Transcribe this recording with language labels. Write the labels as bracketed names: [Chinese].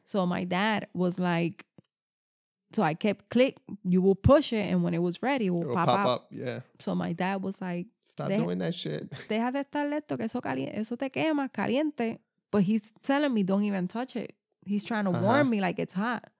[English] So my dad was like, so I kept click, you will push it, and when it was ready, it will pop up. Yeah. So my dad was like, stop doing that shit. [Spanish] Deja de estar lento, que eso caliente, eso te quema, caliente. [English] But he's telling me, don't even touch it. He's trying to warn me like it's hot.